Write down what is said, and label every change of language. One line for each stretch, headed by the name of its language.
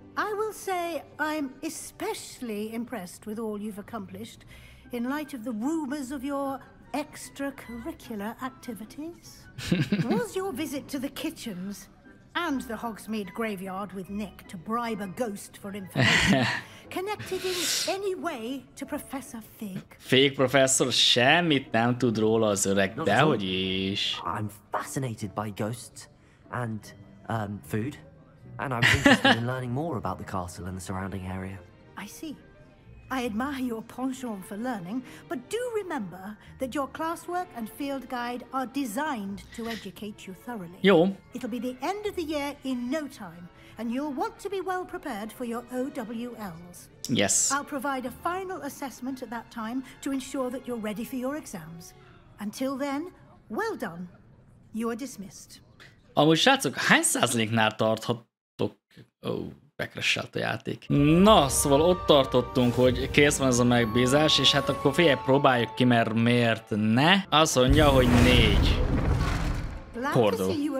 English: I will say I'm especially impressed with all you've accomplished in light of the rumors of your extracurricular activities. Was your visit to the kitchens and the Hogsmeade graveyard with Nick to bribe a ghost for information connected in any way to Professor Fig?
Hungarian: Fig professor semmit nem tud róla az öreg, dehogy is.
English: I'm fascinated by ghosts and food, and I'm interested in learning more about the castle and the surrounding area. I see. I admire your penchant for learning, but do remember that your classwork and field guide are designed to educate you thoroughly.
Hungarian: Jó.
English: It'll be the end of the year in no time, and you'll want to be well prepared for your OWLs. Yes. I'll provide a final assessment at that time to ensure that you're ready for your exams. Until then, well done. You are dismissed.
Hungarian: Amúgy srácok, hány százaléknál tarthatok? Oh, megcrashelt a játék. Na, szóval ott tartottunk, hogy kész van ez a megbízás, és hát akkor figyelj, próbáljuk ki, mert miért ne? Azt mondja, hogy 4. Kordó.